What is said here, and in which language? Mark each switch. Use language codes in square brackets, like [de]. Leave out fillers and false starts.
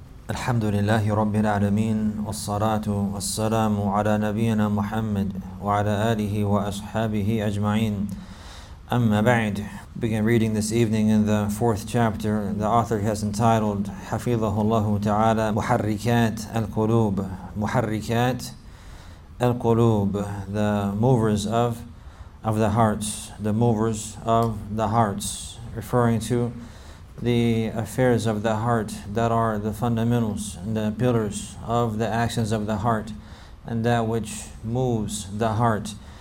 [ar] الحمد لله رب العالمين والصلاة والسلام على نبينا محمد وعلى آله وأصحابه أجمعين أما بعد. [en] Begin reading this evening in the fourth chapter. The author has entitled [ar] حفظه الله تعالى محركات القلوب. محركات القلوب, [en] the movers of the hearts, the movers of the hearts, referring to the affairs of the heart that are the fundamentals and the pillars of the actions of the heart and that which moves the heart.